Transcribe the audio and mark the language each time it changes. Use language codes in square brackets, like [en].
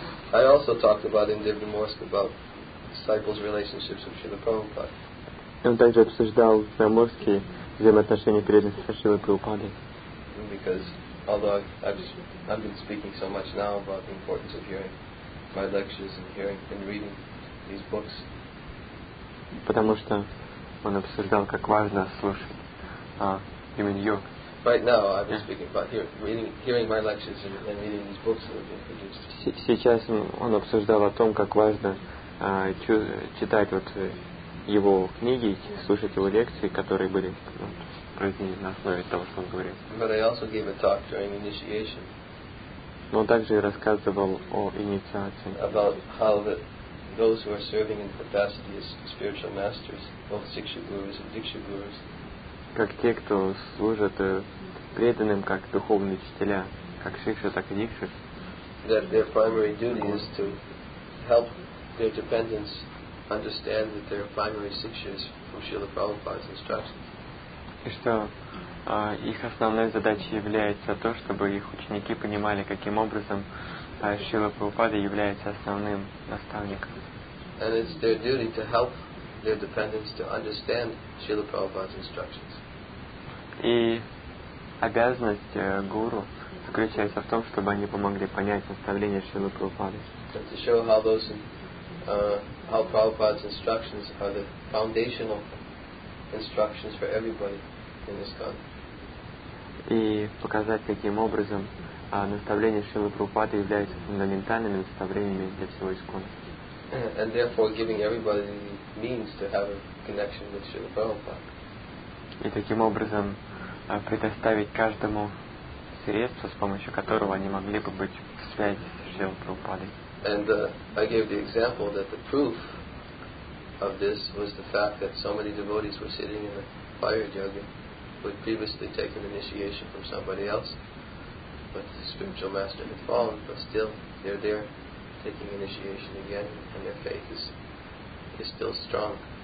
[en] I also talked about in Divya Morsk about disciples' relationships with Srila Prabhupada. [ru] Он также обсуждал в Заморске взаимоотношения преданных со Шрилой Прабхупадой. [en] Because although I've been speaking so much now about the importance of hearing my lectures and hearing and reading these books. [ru] Потому что он обсуждал, как важно слушать именно йог. [en] Right now, I've been speaking about hearing my lectures and reading these books that have been produced. [ru] Сейчас он обсуждал о том, как важно читать вот его книги, слушать его лекции, которые были произведены на основе того, что он говорил. [en] But I also gave a talk during initiation. [ru] Но он также рассказывал о инициации. [en] About how those who are serving in capacity as spiritual masters, both Siksha Gurus and Diksha Gurus, [ru] как те, кто служат преданным, как духовные учителя, как Шикша, так и Дикша, [en] that their primary duty is to help their dependents understand that their primary Siksha is from Srila Prabhupada's instruction. [ru] И что их основной задачей является то, чтобы их ученики понимали, каким образом Шрила Прабхупада является основным наставником. [en] And it's their duty to help their dependents to understand Srila Prabhupada's instructions. [ru] И обязанность гуру заключается в том, чтобы они помогли понять наставления Шрилы Прабхупады. [en] To show how those how Prabhupada's instructions are the foundational instructions for everybody in this country. [ru] И показать, каким образом наставления Шрилы Прабхупады являются фундаментальными наставлениями для всего ИСККОНа. [en] and therefore giving everybody the means to have a connection with Srila Prabhupada. [ru] И таким образом предоставить каждому средства, с помощью которого они могли бы быть в связи с Шрилой Прабхупадой. [en] And I gave the example that the proof of this was the fact that so many devotees were sitting in a fire yoga, who had previously taken initiation from somebody else, but the spiritual master had fallen, but still they're there taking initiation again, and their faith is still strong.